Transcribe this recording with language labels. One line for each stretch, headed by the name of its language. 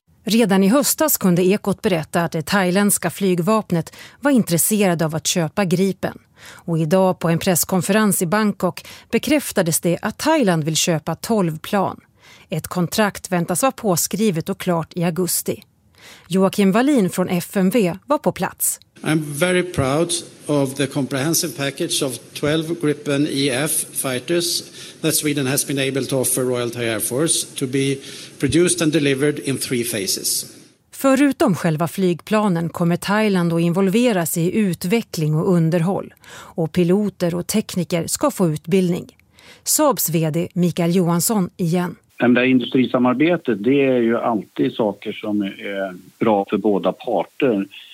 Swedish: Redan i höstas kunde Ekot berätta att det thailändska flygvapnet var intresserade av att köpa Gripen. Och idag på en presskonferens i Bangkok bekräftades det att Thailand vill köpa 12 plan. Ett kontrakt väntas vara påskrivet och klart i augusti. Joakim Wallin från FMV var på plats.
English: I'm very proud of the comprehensive package of 12 Gripen EF fighters that Sweden has been able to offer Royal Thai Air Force to be produced and delivered in 3 phases.
Swedish: Förutom själva flygplanen kommer Thailand att involveras i utveckling och underhåll. Och piloter och tekniker ska få utbildning. Saabs vd Mikael Johansson igen. Men det industrisamarbetet, det är ju alltid saker som är bra för båda parter.